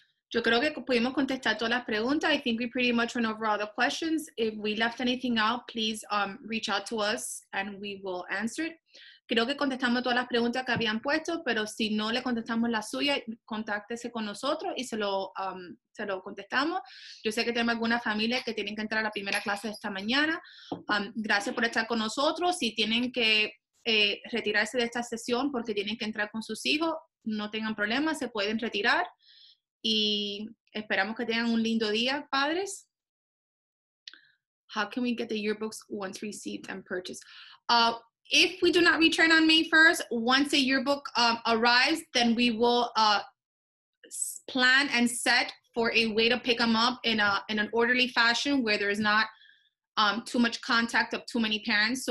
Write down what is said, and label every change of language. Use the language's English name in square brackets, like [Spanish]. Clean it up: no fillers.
[Spanish] Yo creo que pudimos contestar todas las preguntas. [English] I think we pretty much went over all the questions. If we left anything out, please reach out to us and we will answer it. [Spanish] Creo que contestamos todas las preguntas que habían puesto, pero si no le contestamos la suya, contáctese con nosotros y se lo contestamos. Yo sé que tenemos algunas familias que tienen que entrar a la primera clase de esta mañana. Gracias por estar con nosotros. Si tienen que retirarse de esta sesión porque tienen que entrar con sus hijos, no tengan problemas, se pueden retirar. Y esperamos que tengan un lindo día, padres. [English] How can we get the yearbooks once received and purchased? If we do not return on May 1st, once a yearbook arrives, then we will plan and set for a way to pick them up in an orderly fashion where there is not too much contact of too many parents.